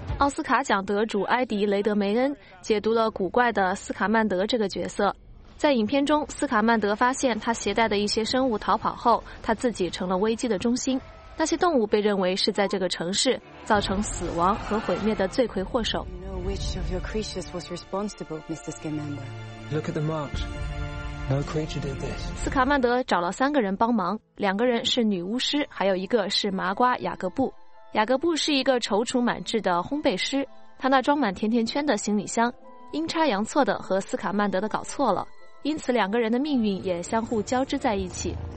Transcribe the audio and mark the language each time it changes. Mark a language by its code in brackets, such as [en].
[zh] 奥斯卡奖得主埃迪·雷德梅恩解读了古怪的斯卡曼德这个角色。在影片中，斯卡曼德发现他携带的一些生物逃跑后，他自己成了危机的中心。那些动物被认为是在这个城市造成死亡和毁灭的罪魁祸首。 [en] You know which of your creatures was responsible, Mr. Scamander? Look at the marks. No creature did this. [zh] 斯卡曼德找了三个人帮忙，两个人是女巫师，还有一个是麻瓜雅各布。雅各布是一个踌躇满志的烘焙师，他那装满甜甜圈的行李箱阴差阳错的和斯卡曼德的搞错了，因此两个人的命运也相互交织在一起。